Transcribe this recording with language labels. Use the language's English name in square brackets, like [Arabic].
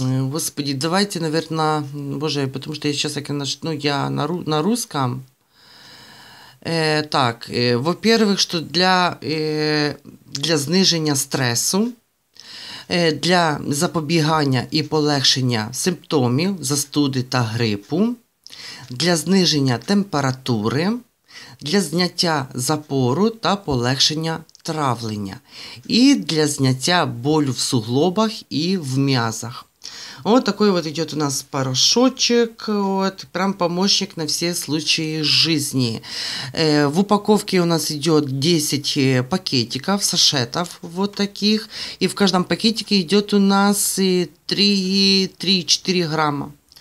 [Russian] Господи, давайте, наверное, боже, потому что я сейчас, как я начну, я на русском. Так, во-первых, что для снижения стресса, [Ukrainian] для запобігання и полегшення симптомів застуди та грипу, [Russian] для снижения [Ukrainian] температури, для зняття запору та полегшення травлення і для зняття болю в суглобах і в м'язах. [Russian] От такой вот идет у нас порошочек, вот, прям помощник на все случаи жизни. В упаковке у нас идет 10 пакетиков, сашетов вот таких, и в каждом пакетике идет у нас 3-4 грамма.